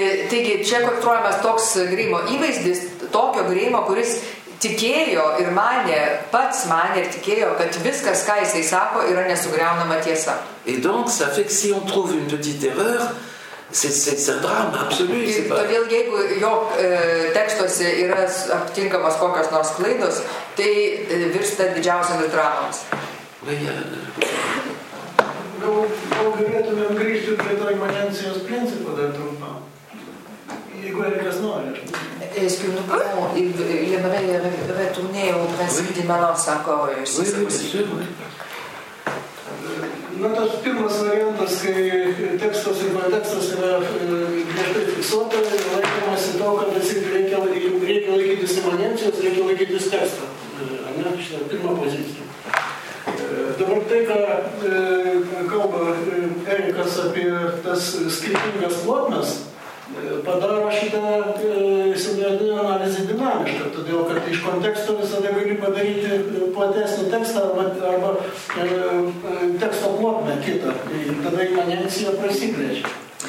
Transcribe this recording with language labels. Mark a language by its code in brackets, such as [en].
[lt] Taigi, čia kontruojamas toks Grimo įvaizdis, tokio Grimo, kuris tikėjo ir manė, pats manė ir tikėjo, kad viskas, ką jisai sako, yra nesugriaunama tiesa. [fr] Et donc, ça fait que si on trouve une petite erreur, c'est un drame absolu. [lt] Todėl, jeigu jo tekstuose yra aptinkamas kokios nors klaidos, tai virsta didžiausiomis dramomis. Gal galėtumėm grįžti prie to imanencijos principo dar trumpą, jeigu Erikas nori. [fr] Est-ce que nous pouvons, il aimerait retourner au principe d'immanence encore, si c'est possible. Oui, bien sûr. [lt] Na, tas pirmas variantas, kai tekstas ir kontekstas yra fiksuotas ir laikomasi to, kad reikia laikytis imanencijos, reikia laikytis teksto. Ne, šitą pirmą poziciją. Dabar tai, ką kalba Erikas apie tas skirtingas plotmes, padaro šitą simbiozinę analizę dinamišką, todėl, kad iš konteksto visada gali padaryti platesnį tekstą arba teksto plotmę kitą, tada imanencija prasiplečia.